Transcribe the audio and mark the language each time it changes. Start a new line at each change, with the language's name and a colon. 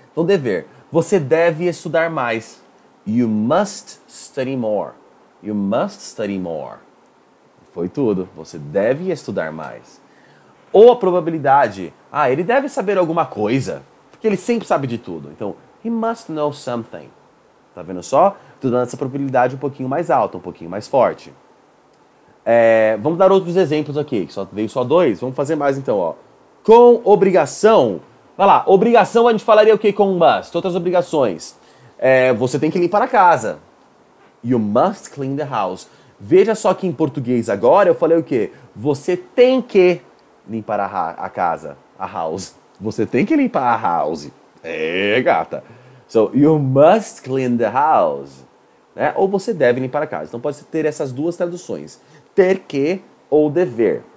Portuguese: Então, dever. Você deve estudar mais.
English: You must study more. You must study more.
Portuguese: Foi tudo. Você deve estudar mais. Ou a probabilidade. Ah, ele deve saber alguma coisa. Porque ele sempre sabe de tudo.
English: Então, he must know something.
Portuguese: Tá vendo só? Tô dando essa probabilidade um pouquinho mais alta, um pouquinho mais forte. É, vamos dar outros exemplos aqui. Só veio só dois. Vamos fazer mais então, ó. Com obrigação, vai lá, obrigação a gente falaria o quê com must? Outras obrigações. É, você tem que limpar a casa.
English: You must clean the house.
Portuguese: Veja só que em português agora eu falei o quê? Você tem que limpar a casa, a house. Você tem que limpar a house. É, gata.
English: So, you must clean the house.
Portuguese: Né? Ou você deve limpar a casa. Então pode ter essas duas traduções. Ter que ou dever.